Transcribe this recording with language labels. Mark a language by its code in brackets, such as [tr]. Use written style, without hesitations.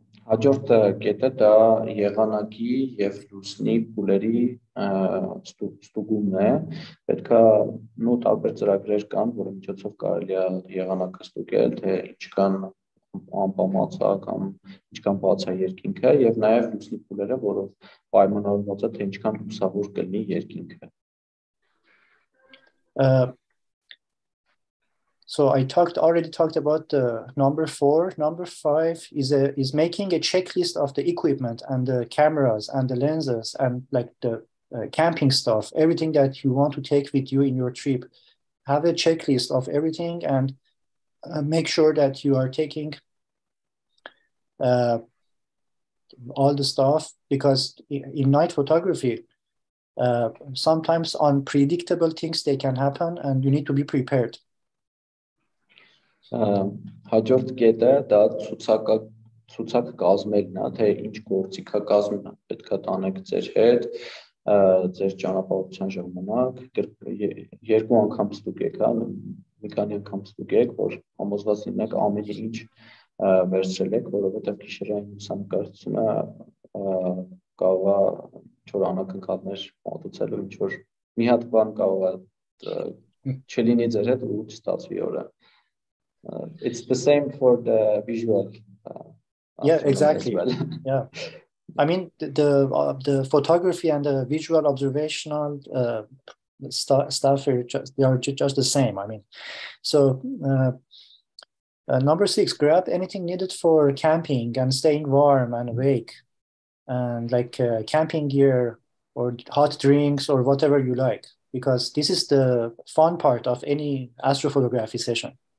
[hy] Հաջորդ կետը դա եղանակի եւ լուսնի փուլերի ստուգումն է։ Պետք է նոր տարբեր ծրագրեր կան, որի միջոցով կարելի է եղանակը ստուգել, թե ինչքան անպամաց է կամ ինչքան բաց է երկինքը, եւ նաեւ լուսնի փուլերը, որով պայմանավորված է, թե ինչքան լուսավոր կլինի երկինքը։ [en] So I already talked about the number four. Number five is making a checklist of the equipment and the cameras and the lenses and like the camping stuff, everything that you want to take with you in your trip. Have a checklist of everything and make sure that you are taking all the stuff, because in night photography, sometimes unpredictable things they can happen and you need to be prepared. [hy] Հաջորդ կետը դա ցուցակ կազմելն է, թե ինչ գործիքա կազմել պետք է տանեք ձեր հետ ձեր ճանապարհության ժամանակ, երկու անգամ ստուգեք, հա, մի քանի անգամ ստուգեք, որ համոզված լինեք ամեն ինչ վերցրել եք, որովհետև գիշերային լուսանկարությունը կարող է ինչ-որ անակնկալներ մատուցելու, ինչ-որ մի հատ բան կարող է չլինի ձեր հետ ու չստացվի օրը։ [en] It's the same for the visual. Exactly. Well. Yeah, I mean the photography and the visual observational stuff are just the same. I mean, so number six, grab anything needed for camping and staying warm and awake, and like camping gear or hot drinks or whatever you like, because this is the fun part of any astrophotography session.